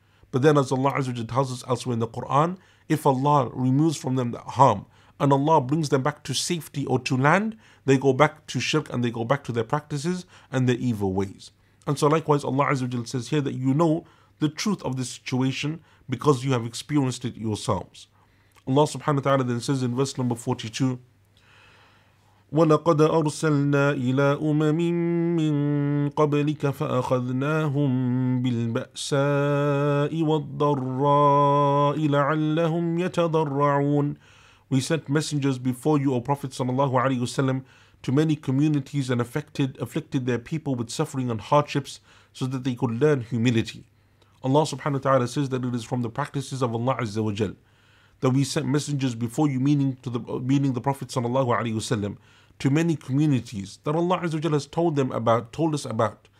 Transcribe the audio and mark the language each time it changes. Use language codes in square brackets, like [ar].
[en] But then as Allah Azza wa Jalla tells us elsewhere in the Quran, if Allah removes from them that harm and Allah brings them back to safety or to land, they go back to shirk and they go back to their practices and their evil ways. And so likewise Allah Azza wa Jalla says here that you know the truth of this situation because you have experienced it yourselves. [ar] Allah subhanahu wa ta'ala [en] then says in verse number 42, [ar] وَلَقَدْ أَرْسَلْنَا إِلَىٰ أُمَمٍ مِّن قَبْلِكَ فَأَخَذْنَاهُمْ بِالْبَأْسَاءِ وَالضَّرَّاءِ لَعَلَّهُمْ يَتَضَرَّعُونَ. [en] We sent messengers before you, O Prophet sallallahu alayhi wa sallam, to many communities and afflicted their people with suffering and hardships so that they could learn humility. Allah subhanahu wa ta'ala says that it is from the practices of Allah azza wa jal that we sent messengers before you, meaning the Prophet sallallahu alayhi wa sallam, to many communities that Allah azza wa jal has told us about.